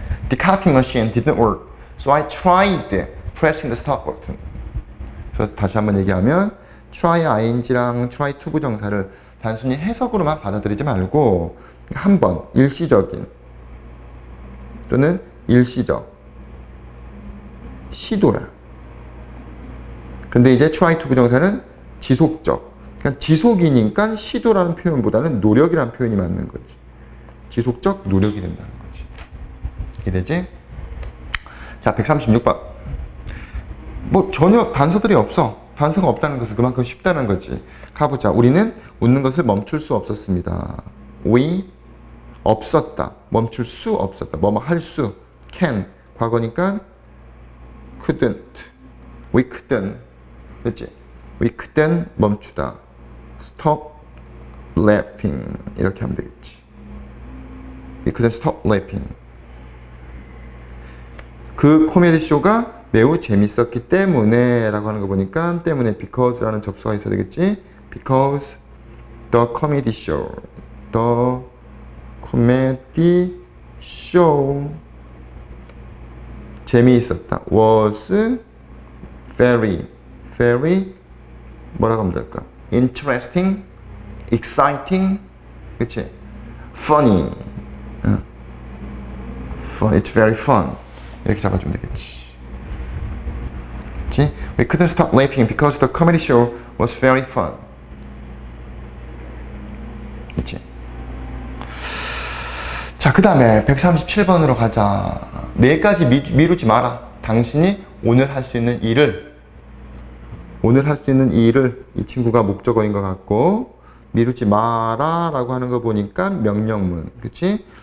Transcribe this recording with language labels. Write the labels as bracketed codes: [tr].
[en] The copy machine didn't work. So I tried pressing the stop button. [ko] 그래서 다시 한번 얘기하면 try ing랑 try to 부정사를 단순히 해석으로만 받아들이지 말고 한번 일시적인 또는 일시적 시도야. 근데 이제 try to 부정사는 지속적. 그러니까 지속이니까 시도라는 표현보다는 노력이라는 표현이 맞는 거지. 지속적 노력이 된다는 거지. 이게 되지? 자, 136번. 뭐 전혀 단서들이 없어. 단서가 없다는 것은 그만큼 쉽다는 거지. 가보자. 우리는 웃는 것을 멈출 수 없었습니다. We 없었다. 멈출 수 없었다. 뭐뭐 할 수. Can. 과거니까 couldn't. [en] We couldn't. [ko] 그치? [en] We couldn't [ko] 멈추다. [en] Stop laughing. [ko] 이렇게 하면 되겠지. [en] We couldn't stop laughing. [ko] 그 코미디 쇼가 매우 재밌었기 때문에 라고 하는 거 보니까 때문에 because라는 접수가 있어야 되겠지. [en] Because the comedy show. The comedy show. [ko] 재미있었다. [en] Was very, very, [ko] 뭐라고 하면 될까? [en] Interesting, exciting, [ko] 그치? [en] Funny. Fun, it's very fun. [ko] 이렇게 잡아주면 되겠지. 그치? [en] We couldn't stop laughing because the comedy show was very fun. [ko] 그치? 자, 그 다음에 137번으로 가자. 내일까지 미루지 마라. 당신이 오늘 할 수 있는 일을, 오늘 할 수 있는 일을, 이 친구가 목적어인 것 같고, 미루지 마라 라고 하는 거 보니까 명령문. 그치?